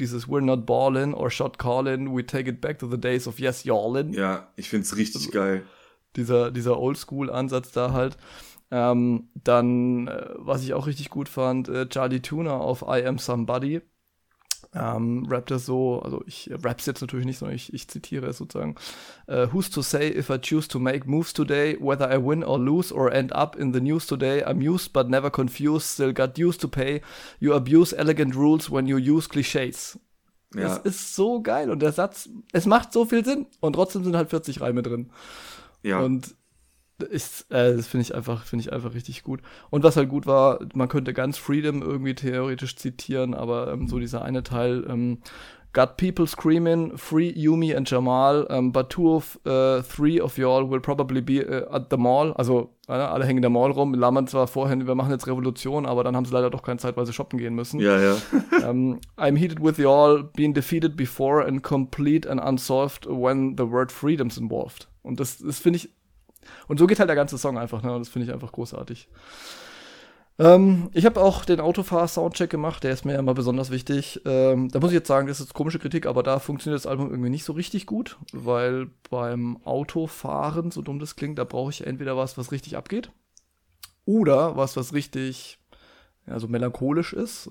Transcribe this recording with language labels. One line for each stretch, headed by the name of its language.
German: Dieses
English: We're not ballin' or shot callin', we take it back to the days of yes, y'allin'.
German: Ja, ich find's richtig also, geil. Dieser Oldschool-Ansatz da halt. Dann, was ich auch richtig gut fand, Charlie Tuna auf I Am Somebody. Rappt er so, also ich rapp's jetzt natürlich nicht, sondern ich zitiere es sozusagen.
English: Who's to say if I choose to make moves today, whether I win or lose or end up in the news today, I'm used but never confused, still got dues to pay, you abuse elegant rules when you use clichés.
German: Ja. Das ist so geil und der Satz, es macht so viel Sinn und trotzdem sind halt 40 Reime drin. Ja. Und Das finde ich einfach richtig gut. Und was halt gut war, man könnte ganz Freedom irgendwie theoretisch zitieren, aber so dieser eine Teil,
English: got people screaming, free Yumi and Jamal, but three of y'all will probably be at the mall.
German: Also, alle hängen in der Mall rum, lammern zwar vorhin, wir machen jetzt Revolution, aber dann haben sie leider doch keine Zeit, weil sie shoppen gehen müssen. Ja, ja.
English: I'm heated with y'all, being defeated before and complete and unsolved when the word freedom's involved.
German: Und das finde ich. Und so geht halt der ganze Song einfach, ne? Und das finde ich einfach großartig. Ich habe auch den Autofahr-Soundcheck gemacht, der ist mir ja immer besonders wichtig. Da muss ich jetzt sagen, das ist komische Kritik, aber da funktioniert das Album irgendwie nicht so richtig gut, weil beim Autofahren, so dumm das klingt, da brauche ich entweder was richtig abgeht oder was richtig, ja, so melancholisch ist.